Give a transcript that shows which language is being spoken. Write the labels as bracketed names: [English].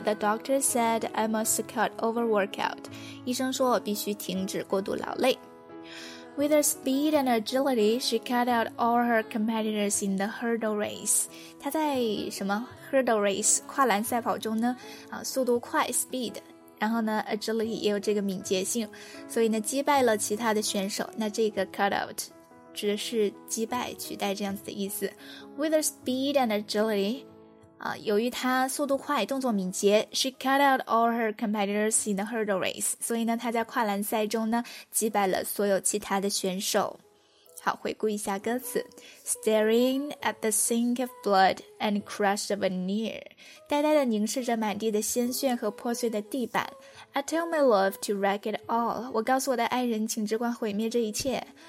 [English] The doctor said I must cut overwork out. [Chinese] 医生说我必须停止过度劳累。 [English] With her speed and agility, she cut out all her competitors in the hurdle race. [Chinese] 她在什么 hurdle race, 跨栏赛跑中呢、速度快 speed, 然后呢 agility 也有这个敏捷性，所以呢击败了其他的选手，那这个 cut out,指的是击败、取代这样子的意思。 [English] With her speed and agility、 [Chinese] 由于她速度快、动作敏捷， [English] She cut out all her competitors in the hurdle race. [Chinese] 所以呢她在跨栏赛中呢击败了所有其他的选手。好，回顾一下歌词。 [English] Staring at the sink of blood and crushed veneer. [Chinese] 呆呆地凝视着满地的鲜血和破碎的地板。 [English] I tell my love to wreck it all. [Chinese] 我告诉我的爱人请只管毁灭这一切。